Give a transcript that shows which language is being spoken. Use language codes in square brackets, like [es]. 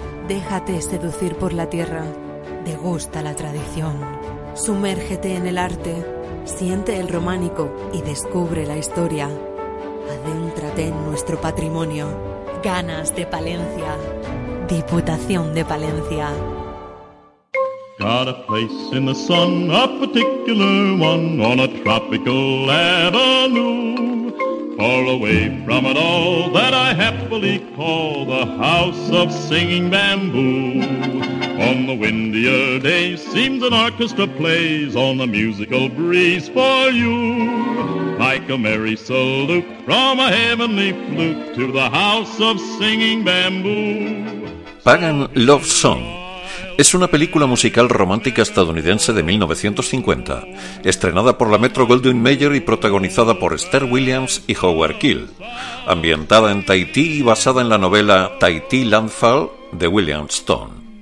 [es] Déjate seducir por la tierra. Degusta la tradición. Sumérgete en el arte, siente el románico y descubre la historia. Adéntrate en nuestro patrimonio. Ganas de Palencia. Diputación de Palencia. [en] got a place in the sun, a particular one, on a tropical avenue. Far away from it all, that I happily call the house of singing bamboo. On the windier day, seems an orchestra plays on a musical breeze for you. Like a merry salute from a heavenly flute to the house of singing bamboo. [es] Pagan Love Song es una película musical romántica estadounidense de 1950, estrenada por la Metro-Goldwyn-Mayer y protagonizada por Esther Williams y Howard Keel, ambientada en Tahití y basada en la novela Tahití Landfall de William Stone.